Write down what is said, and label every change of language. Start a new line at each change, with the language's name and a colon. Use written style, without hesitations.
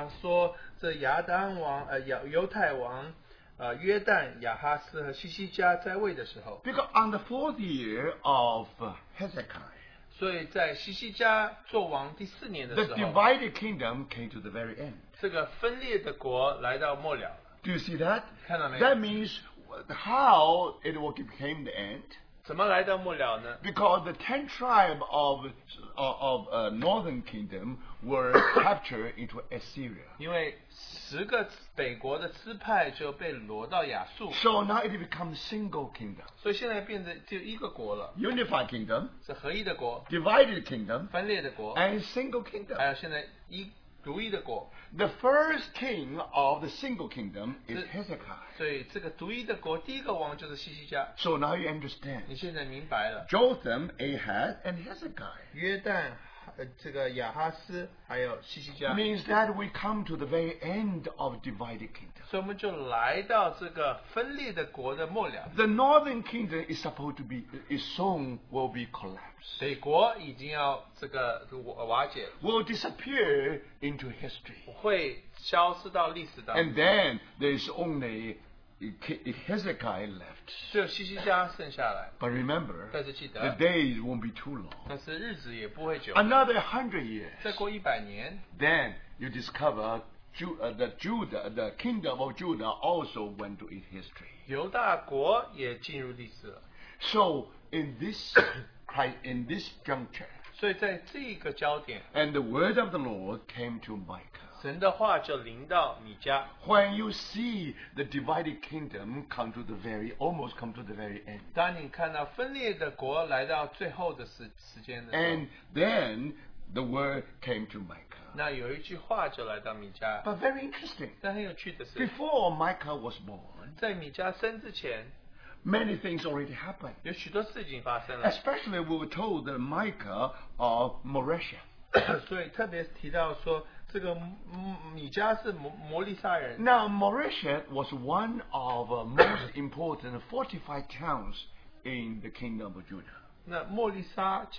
Chinese: 所以你知道当这个启示来的时候他说这亚当王犹太王 约旦、亚哈斯和西西家在位的时候,
English: because on the fourth year of Hezekiah,
Chinese: 所以在西西家做王第四年的时候,
English: the divided kingdom came to the very end.
Chinese: 这个分裂的国来到末了。
English: Do you see that?
Chinese: 看到没有?
English: That means how it became the end.
Chinese: 怎么来到末了呢?
English: Because the 10 tribes of northern kingdom were captured into Assyria.
Chinese: 因为十个北国的支派就被掳到亚述。
English: So now it becomes single kingdom.
Chinese: 所以现在变成就一个国了。
English: Unified kingdom.
Chinese: 是合一的国。
English: Divided kingdom.
Chinese: 分裂的国。
English: And single kingdom.
Chinese: 还有现在一,独一的国,
English: the first king of the single kingdom is Hezekiah.
Chinese: 对,这个独一的国,
English: so now you understand.
Chinese: 你现在明白了,
English: Jotham, Ahaz, and Hezekiah.
Chinese: 约旦, 这个亚哈斯, 还有西西家,
English: means that we come to the very end of divided kingdom.
Chinese: 所以我们就来到这个分裂的国的末了。
English: The northern kingdom is supposed to be, is soon will be collapsed.
Chinese: 北国已经要这个瓦解,
English: will disappear into history.
Chinese: 会消失到历史当中。
English: And then there is only Hezekiah left.
Chinese: 只有西西家剩下来,
English: but remember,
Chinese: 但是记得,
English: the days won't be too long.
Chinese: 但是日子也不会久,
English: another 100 years.
Chinese: 再过100年,
English: then you discover Judah, the kingdom of Judah also went to its history.
Chinese: 犹大国也进入历史了。
English: So in this in this juncture,
Chinese: 所以在这个焦点,
English: and the word of the Lord came to Micah.
Chinese: 神的话就临到你家,
English: when you see the divided kingdom come to the very, almost come to the very end.
Chinese: 当你看到分裂的国来到最后的时间的时候,
English: and then the word came to Micah.
Chinese: 那有一句话就来到米迦,
English: but very interesting.
Chinese: 但很有趣的是,
English: before Micah was born,
Chinese: 在米迦生之前,
English: many things already happened.
Chinese: 有许多事情发生了,
English: especially we were told that Micah of Moresha.
Chinese: 所以特别提到说, 这个米迦是摩利沙人。
English: Now, Moresha was one of the most important fortified towns in the kingdom of Judah.